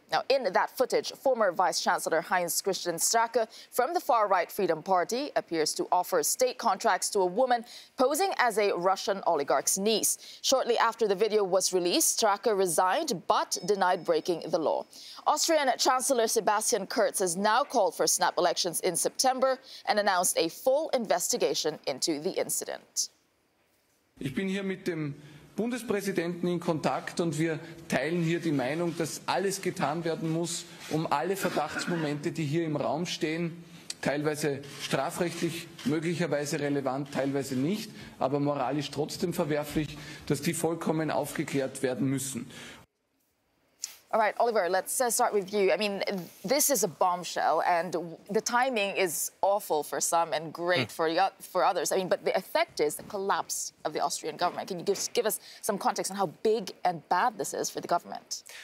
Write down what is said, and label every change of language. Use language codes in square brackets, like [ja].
[en] Now, in that footage, former Vice Chancellor Heinz Christian Strache from the far-right Freedom Party appears to offer state contracts to a woman posing as a Russian oligarch's niece. Shortly after the video was released, Strache resigned but denied breaking the law. Austrian Chancellor Sebastian Kurz has now called for snap elections in September and announced a full investigation into the incident. [de] Ich bin hier mit dem Bundespräsidenten in Kontakt und wir teilen hier die Meinung, dass alles getan werden muss, um alle Verdachtsmomente, die hier im Raum stehen, teilweise strafrechtlich, möglicherweise relevant, teilweise nicht, aber moralisch trotzdem verwerflich, dass die vollkommen aufgeklärt werden müssen. [en] All right, Oliver, let's start with you. I mean, this is a bombshell, and the timing is awful for some and great for others. I mean, but the effect is the collapse of the Austrian government. Can you give us some context on how big and bad this is for the government?